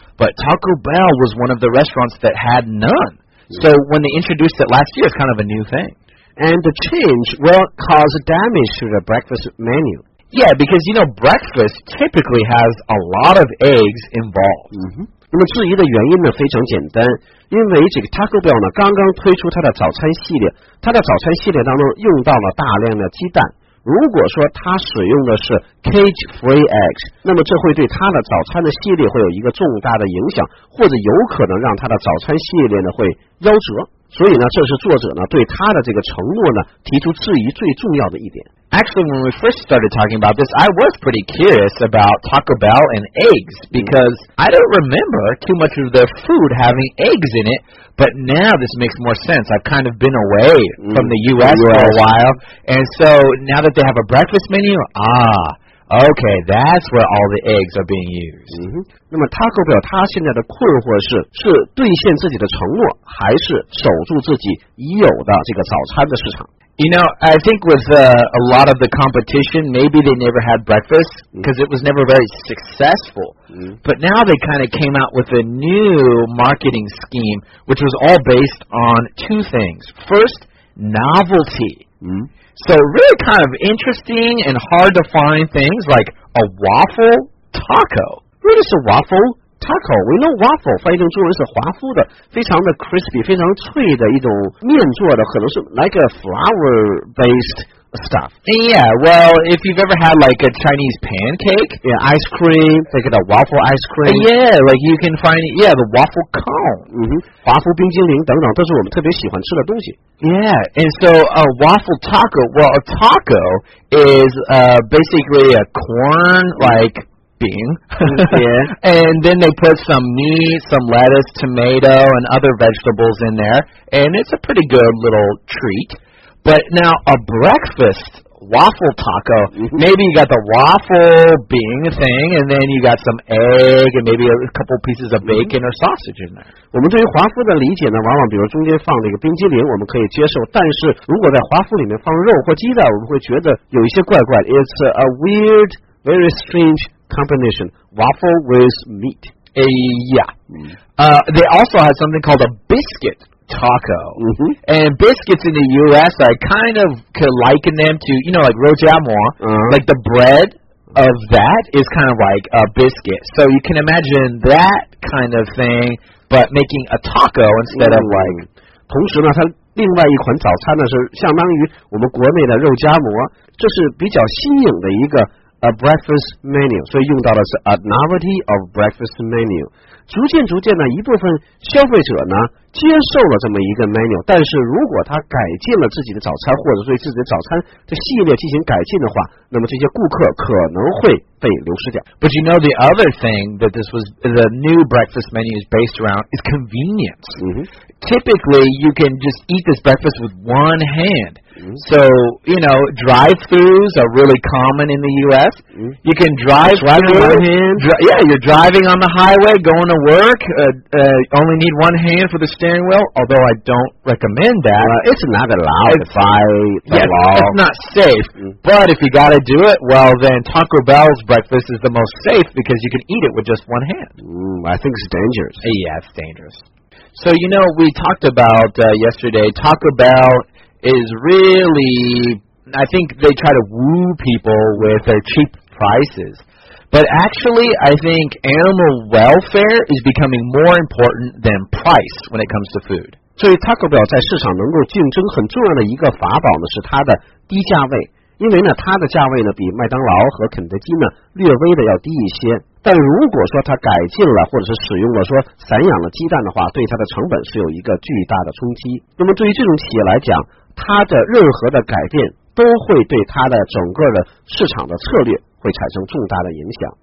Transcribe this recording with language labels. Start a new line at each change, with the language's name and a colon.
English: But Taco Bell was one of the restaurants that had none.、 Mm-hmm. So when they introduced it last year, it's kind of a new thing. And the change will cause damage to the breakfast menu. Yeah, because, you know, breakfast typically has a lot of eggs involved.
Chinese: 那么质疑的原因呢非常简单，因为这个 Taco Bell 呢刚刚推出它的早餐系列，它的早餐系列当中用到了大量的鸡蛋。如果说它使用的是 cage-free eggs, 那么这会对它的早餐的系列会有一个重大的影响，或者有可能让它的早餐系列呢会夭折。所以呢，这是作者呢对他的这个承诺呢提出质疑最重要的一点。
English: Actually, when we first started talking about this, I was pretty curious about Taco Bell and eggs because I don't remember too much of their food having eggs in it. But now this makes more sense. I've kind of been away from the U.S. for a while. And so now that they have a breakfast menu, Okay, that's where all the eggs are being used.
Chinese: 那么 Taco Bell 他现在的困惑是，是兑现自己的承诺，还是守住自己已有的这个早餐的市场？
English: You know, I think with a lot of the competition, maybe they never had breakfast because it was never very successful. But now they kind of came out with a new marketing scheme, which was all based on two things. First, novelty. So really kind of interesting and hard to find things like a waffle taco. What is a waffle taco? We know waffle,
Chinese: 翻译成中文是华夫的，非常的
English: crispy,
Chinese: 非常脆的一种面做的，可能是
English: like a flour based stuff. Yeah, well, if you've ever had like a Chinese pancake, yeah, ice cream, like a waffle ice cream. Yeah, like you can find, yeah, the waffle cone.
Chinese: 华夫冰激凌等等，都是我们特别喜欢吃的东西。
English: Yeah, and so a waffle taco, well, a taco is basically a corn, like... Bing. Yeah. And then they put some meat, some lettuce, tomato, and other vegetables in there. And it's a pretty good little treat. But now a breakfast waffle taco, maybe you got the waffle Bing thing, and then you got some egg, and maybe a couple pieces of bacon or sausage in there.
Chinese: 我们对于华夫的理解呢，往往比如中间放了一个冰激凌，我们可以接受。但是如果在华夫里面放肉或鸡蛋，我们会觉得有一些怪怪的。
English: It's a weird, very strange. Combination waffle with meat. They also had something called a biscuit taco. And biscuits in the U.S. I kind of could liken them to, you know, like rojamor. Like the bread of that is kind of like a biscuit. So you can imagine that kind of thing, but making a taco instead of like.
Chinese: 同时呢，它另外一款早餐呢是相当于我们国内的肉夹馍，这是比较新颖的一个。
English: A breakfast menu,
Chinese: 所以用到的是
English: a novelty of breakfast menu.
Chinese: 逐渐逐渐呢，一部分消费者呢接受了这么一个 menu. 但是如果他改进了自己的早餐，或者对自己的早餐的系列进行改进的话，那么这些顾客可能会被流失掉。
English: But you know the other thing that this was the new breakfast menu is based around is convenience. Typically, you can just eat this breakfast with one hand. So, you know, drive-thrus are really common in the U.S. You can drive through one hand. Yeah, you're driving on the highway, going to work, only need one hand for the steering wheel, although I don't recommend that. It's not allowed by the law. It's not safe. But if you got to do it, well, then Taco Bell's breakfast is the most safe because you can eat it with just one hand. I think it's dangerous. Yeah, it's dangerous. So, you know, we talked about yesterday, Taco Bell... is really, I think they try to woo people with their cheap prices. But actually, I think animal welfare is becoming more important than price when it comes to food.
Chinese: 所以 Taco Bell 在市场能够竞争很重要的一个法宝呢，是它的低价位。因为呢，它的价位呢比麦当劳和肯德基呢略微的要低一些。但如果说它改进了或者是使用了说散养的鸡蛋的话，对它的成本是有一个巨大的冲击。那么对于这种企业来讲，它的任何的改变都会对它的整个的市场的策略会产生重大的影响。